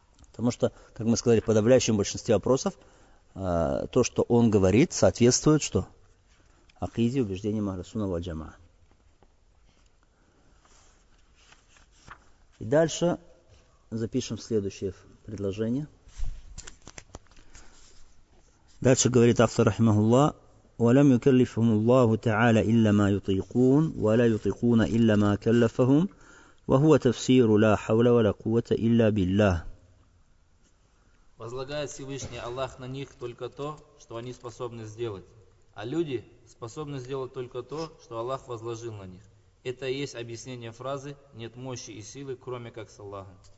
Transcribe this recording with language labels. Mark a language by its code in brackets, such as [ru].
[ru] Потому что, как мы сказали, в подавляющем большинстве вопросов, то, что он говорит, соответствует что? Акиде, убеждениям Аль-Сунна валь-Джамаа. И дальше запишем следующее предложение. Дальше говорит автор, рахимахуллах, [ar] وَلَمْ يُكَلِّفْهُمُ اللَّهُ تَعَالَى إِلَّا مَا يُطِيقُونَ وَلَا يُطِيقُونَ إِلَّا مَا كَلَّفَهُمْ وَهُوَ تَفْسِيرُ لَا حَوْلَ وَلَا قُوَّةَ إِلَّا بِاللَّهِ. [ru] Возлагает Всевышний Аллах на них только то, что они способны сделать, а люди способны сделать только то, что Аллах возложил на них. Это и есть объяснение фразы «нет мощи и силы, кроме как с Аллахом».